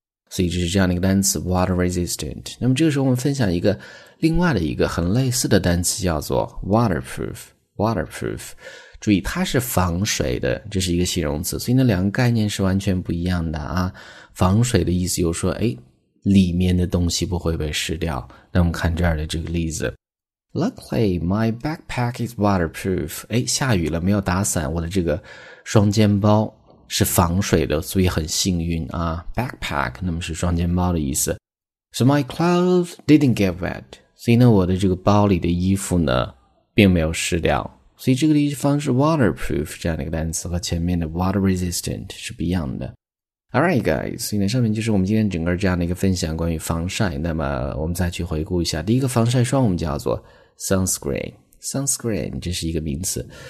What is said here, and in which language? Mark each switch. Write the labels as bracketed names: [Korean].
[Chinese] 所以这是这样的一个单词 water resistant。那么这个时候我们分享一个另外的一个很类似的单词，叫做 waterproof， 注意它是防水的，这是一个形容词，所以那两个概念是完全不一样的啊。防水的意思就是说里面的东西不会被湿掉。那我们看这儿的这个例子， [English] Luckily, my backpack is waterproof. [Chinese] 哎，下雨了，没有打伞，我的这个双肩包是防水的，所以很幸运啊。 Backpack, 那么是双肩包的意思。 [English] So my clothes didn't get wet. [Chinese] 所以呢，我的这个包里的衣服呢，并没有湿掉。所以这个地方是 waterproof 这样的一个单词，和前面的 water resistant 是不一样的。 [English] Alright guys, [Chinese] 所以呢，上面就是我们今天整个这样的一个分享关于防晒。那么我们再去回顾一下，第一个防晒霜我们叫做 sunscreen, 这是一个名词。